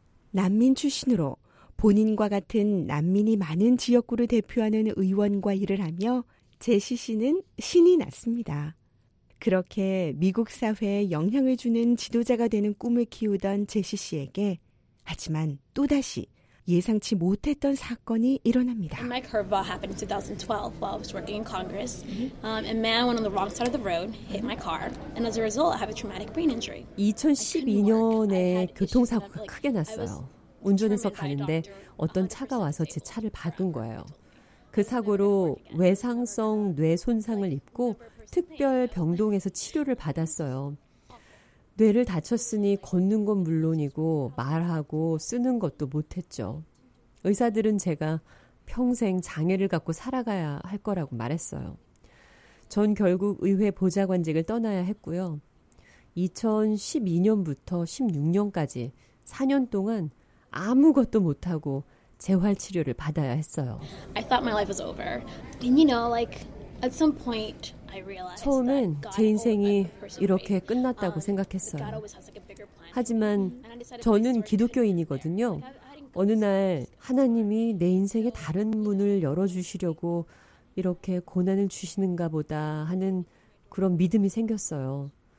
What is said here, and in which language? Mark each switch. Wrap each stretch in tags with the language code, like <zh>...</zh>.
<ko>난민 출신으로 본인과 같은 난민이 많은 지역구를 대표하는 의원과 일을 하며 제시 씨는 신이 났습니다. 그렇게 미국 사회에 영향을 주는 지도자가 되는 꿈을 키우던 제시 씨에게 하지만 또다시 예상치 못했던 사건이 일어납니다.</ko> <en>My curveball happened in 2012 while I was working in Congress. A man went on the wrong side of the road, hit my car, and as a result, I have a traumatic brain injury.</en> <ko>2012년에 교통사고가 크게 났어요. 운전해서 가는데 어떤 차가 와서 제 차를 박은 거예요. 그 사고로 외상성 뇌 손상을 입고 특별 병동에서 치료를 받았어요. 뇌를 다쳤으니 걷는 건 물론이고 말하고 쓰는 것도 못했죠. 의사들은 제가 평생 장애를 갖고 살아가야 할 거라고 말했어요. 전 결국 의회 보좌관직을 떠나야 했고요. 2012년부터 16년까지 4년 동안 아무것도 못하고 재활치료를 받아야 했어요.</ko> <en>I thought my life was over. And you know, like at some point</en> <ko>처음엔 제 인생이 이렇게 끝났다고 생각했어요. 하지만 저는 기독교인이거든요. 어느 날 하나님이 내 인생의 다른 문을 열어주시려고 이렇게 고난을 주시는가 보다 하는 그런 믿음이 생겼어요.</ko>